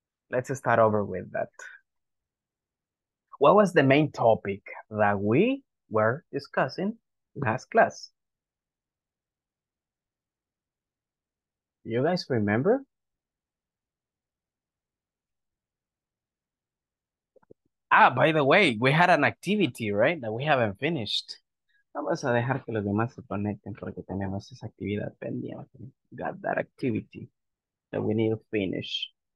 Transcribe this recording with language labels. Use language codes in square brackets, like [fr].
[en] Let's start over with that. What was the main topic that we were discussing last class? You guys remember? Ah, by the way, we had an activity, right? That we haven't finished. [es] Vamos a dejar que los demás se conecten porque tenemos esa actividad pendiente. [en] Got that activity that we need to finish.